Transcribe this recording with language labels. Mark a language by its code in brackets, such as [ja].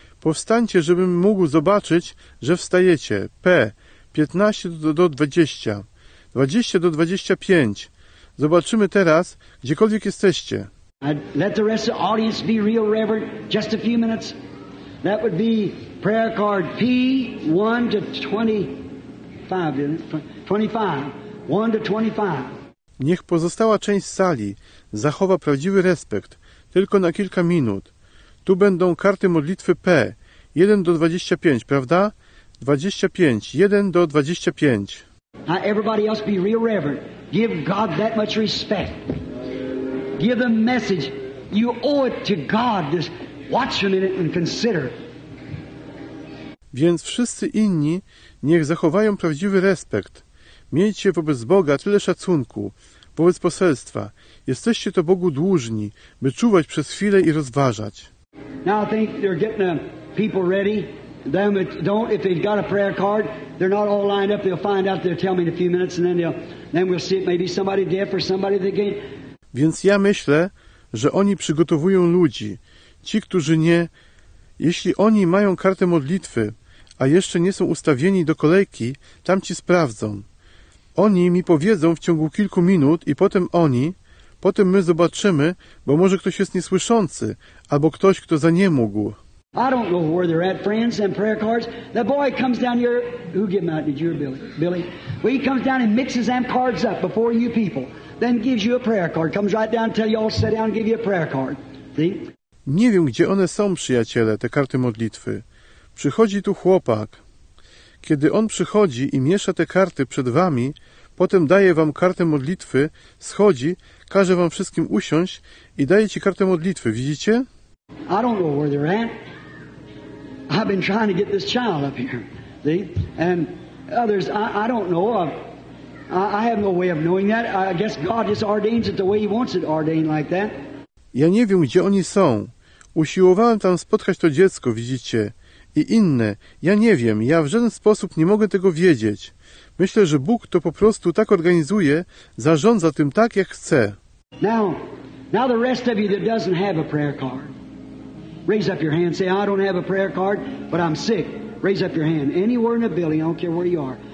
[pl] Powstańcie, żebym mógł zobaczyć, że wstajecie. P. 15 do 20. 20 do 25. Zobaczymy teraz, gdziekolwiek jesteście. [en] I'd let the rest of the audience be real reverent. Just a few minutes. That would be prayer card P. 1 to 25. 25. 1 to 25. [pl] Niech pozostała część sali zachowa prawdziwy respekt, tylko na kilka minut. Tu będą karty modlitwy P, 1 do 25, prawda? 25, 1 do 25. [en] Now everybody else be real reverent. Give God that much respect. Give the message. You owe it to God to watch a minute and consider. [pl] Więc wszyscy inni niech zachowają prawdziwy respekt. Miejcie wobec Boga tyle szacunku, wobec poselstwa. Jesteście to Bogu dłużni, by czuwać przez chwilę i rozważać. [en] Now I think they're getting the people ready. Them that don't, if they've got a prayer card, they're not all lined up. They'll find out. They'll tell me in a few minutes, and then we'll see it. Maybe somebody deaf or somebody that can't. [pl] Więc ja myślę, że oni przygotowują ludzi, ci, którzy nie, jeśli oni mają kartę modlitwy, a jeszcze nie są ustawieni do kolejki, tamci sprawdzą. Oni mi powiedzą w ciągu kilku minut i potem oni, potem my zobaczymy, bo może ktoś jest niesłyszący, albo ktoś, kto za nie mógł. [en] I don't know where they're at, friends, and prayer cards. The boy comes down here. Who gave them out? Did you or Billy? Billy? Well, he comes down and mixes them cards up before you people. Then gives you a prayer card. Comes right down, tell you all, sit down, and give you a prayer card. See? [pl] Nie wiem, gdzie one są, przyjaciele, te karty modlitwy. Przychodzi tu chłopak. Kiedy on przychodzi i miesza te karty przed wami, potem daje wam kartę modlitwy, schodzi, każe wam wszystkim usiąść i daje ci kartę modlitwy. Widzicie? [en] I don't know where they're at. I've been trying to get this child up here, see? And others, I don't know. I have no way of knowing that. I guess God just ordains it the way He wants it ordained like that. [pl] Ja nie wiem, gdzie oni są. Usiłowałem tam spotkać to dziecko, widzicie? I inne. Ja nie wiem. Ja w żaden sposób nie mogę tego wiedzieć. Myślę, że Bóg to po prostu tak organizuje, zarządza tym tak, jak chce. [en] Now the rest of you that doesn't have a prayer card. Raise up your hand. Say, I don't have a prayer card, but I'm sick. Raise up your hand. Anywhere in the building, I don't care where you are.